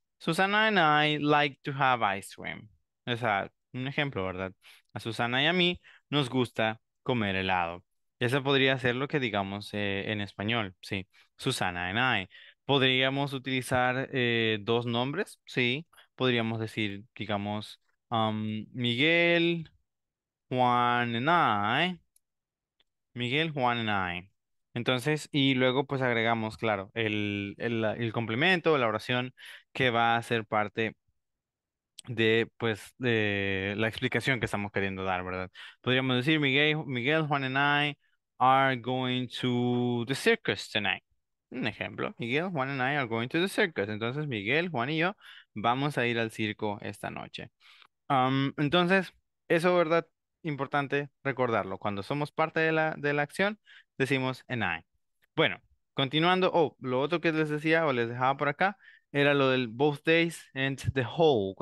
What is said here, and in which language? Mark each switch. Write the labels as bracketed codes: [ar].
[en] Susana and I like to have ice cream. [es] O sea, un ejemplo, ¿verdad? A Susana y a mí nos gusta comer helado. Eso podría ser lo que digamos en español, ¿sí? [en] Susana and I. [es] Podríamos utilizar dos nombres, ¿sí? Podríamos decir, digamos, Miguel, Juan [en] and I. Miguel, Juan and I. [es] Entonces, y luego pues agregamos, claro, el complemento, la oración que va a ser parte de, pues, de la explicación que estamos queriendo dar, ¿verdad? Podríamos decir, [en] Miguel, Juan and I are going to the circus tonight. [es] Un ejemplo, [en] Miguel, Juan and I are going to the circus. [es] Entonces, Miguel, Juan y yo vamos a ir al circo esta noche. Entonces, eso, ¿verdad? Importante recordarlo. Cuando somos parte de la acción, decimos [en] and I. [es] Bueno, continuando, oh, lo otro que les decía o les dejaba por acá era lo del [en] both days and the whole.